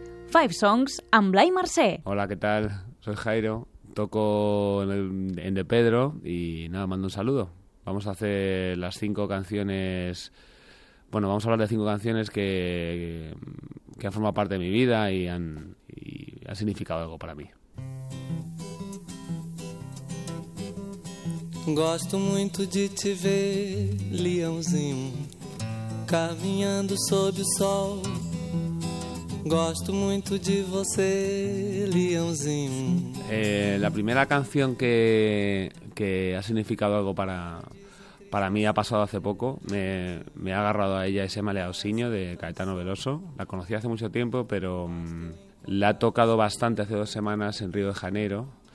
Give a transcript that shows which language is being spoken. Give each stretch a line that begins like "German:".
English: Five Songs amb Blai Mercè.
Spanish: Hola, què tal? Soy Jairo. Toco en De Pedro y nada, mando un saludo. Vamos a hacer las 5 canciones. Bueno, vamos a hablar de 5 canciones que han formado parte de mi vida y han significado algo para mí.
Portuguese: Gosto muito de te ver, leãozinho, caminhando sob o sol. Gosto muito de você, leãozinho.
Spanish: La primera canción que ha significado algo para mí ha pasado hace poco. Me ha agarrado a ella y se llama Leaosiño, de Caetano Veloso. La conocí hace mucho tiempo, pero la he tocado bastante hace 2 semanas en Río de Janeiro.